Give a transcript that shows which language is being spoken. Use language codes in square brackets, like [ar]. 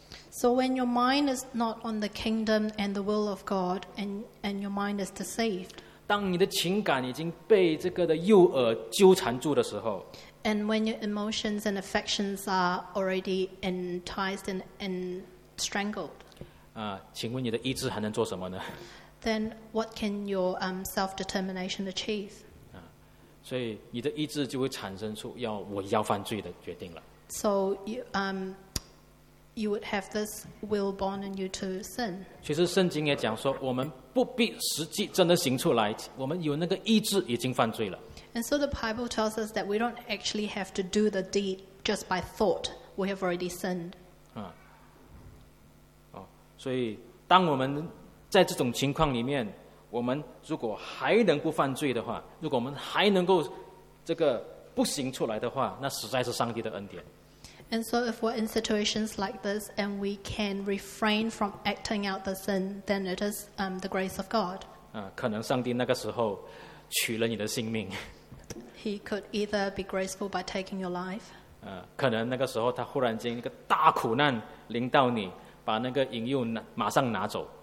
[en] So when your mind is not on the kingdom and the will of God, and your mind is deceived, [zh] 当你的情感已经被这个的诱饵纠缠住的时候 [en] ，and when your emotions and affections are already enticed and strangled, [zh] 请问你的意志还能做什么呢 [en] ？Then what can your self-determination achieve? [zh] 所以你的意志就会产生出我要犯罪的决定了。 [en] So you would have this will born in you to sin. [zh] 其实圣经也讲说，我们不必实际真的行出来，我们有那个意志已经犯罪了。 [en] And so the Bible tells us that we don't actually have to do the deed just by thought. We have already sinned. [zh] 所以当我们在这种情况里面，我们如果还能够犯罪的话，如果我们还能够这个不行出来的话，那实在是上帝的恩典。 [en] And so if we're in situations like this and we can refrain from acting out the sin, then it is the grace of God. [zh] 可能上帝那个时候取了你的性命。 [en] He could either be graceful by taking your life. [zh] 可能那个时候他忽然间一个大苦难临到你把那个引诱马上拿走。